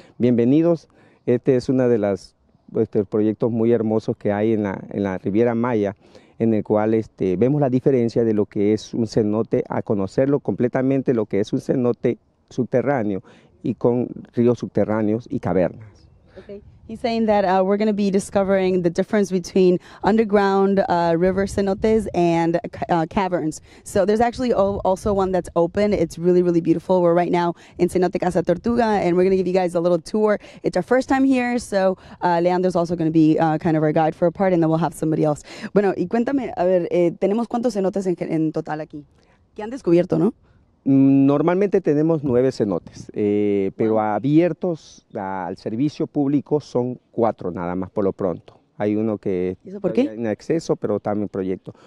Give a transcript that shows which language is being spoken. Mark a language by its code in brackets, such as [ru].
[es] Bienvenidos, este es una de las proyectos muy hermosos que hay en la Riviera Maya, en el cual vemos la diferencia de lo que es un cenote a conocerlo completamente, lo que es un cenote subterráneo y con ríos subterráneos y cavernas. [en] Okay. He's saying that we're going to be discovering the difference between underground river cenotes and caverns. So there's actually also one that's open. It's really, really beautiful. We're right now in Cenote Casa Tortuga, and we're going to give you guys a little tour. It's our first time here, so Leandro's also going to be kind of our guide for a part, and then we'll have somebody else. [es] Bueno, y cuéntame, a ver, ¿tenemos cuántos cenotes en total aquí? ¿Qué han descubierto, no? Normalmente tenemos 9 cenotes, pero abiertos al servicio público son 4 nada más por lo pronto. Hay uno que está en acceso, pero también en proyecto.